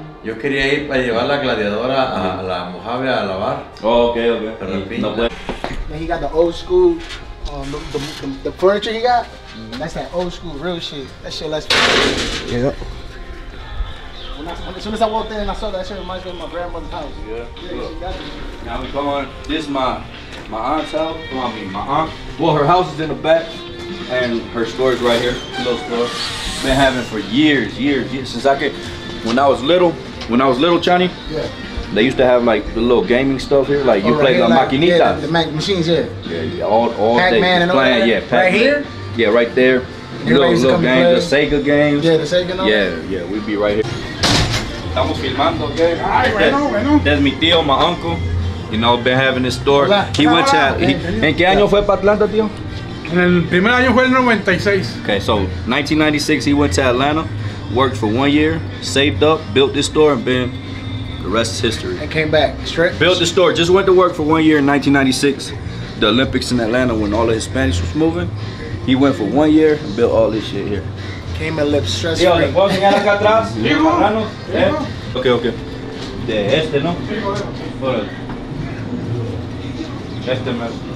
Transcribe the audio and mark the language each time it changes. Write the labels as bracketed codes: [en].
[es] Yo quería ir para llevar la gladiadora a la Mojave a lavar. [en] Oh, okay. [es] Pero en fin, no puede. [en] He got the old school, the furniture he got. Mm-hmm. That's that old school, real shit. That shit lets me. Yeah. As soon as I walked in and I saw that, that shit reminds me of my grandmother's house. Yeah. Yeah, she got it. Now we come on. This is my aunt's house. Come on, my aunt. Well, her house is in the back, and her store is right here. Little store. Been having for years since I could. When I was little, Chani, yeah. They used to have like the little gaming stuff here, like you play the maquinitas. Yeah, the machines, yeah. All Pac-Man day. And playing, all that. Yeah, Pac-Man. Right here? Yeah, right there. Little games, the Sega games. Yeah, the Sega games. Yeah, yeah, we'd be right here. [es] Estamos filmando, [en] okay? All right, right on, right on. That's [es] mi tío, [en] my uncle. You know, been having this store. He went to... [es] ¿En qué año fue para Atlanta, tío? En el primer año fue el 96. [en] Okay, so 1996, he went to Atlanta, worked for 1 year, saved up, built this store, and been... The rest is history. And came back straight. Built the store. Just went to work for 1 year in 1996. The Olympics in Atlanta when all the Hispanics was moving. He went for 1 year and built all this shit here. Came a lip stress free. [es] Yo, ¿puedo enseñar acá atrás? Sí, hijo. [en] Okay, okay. [es] De este, ¿no? Sí, hijo. Este, man.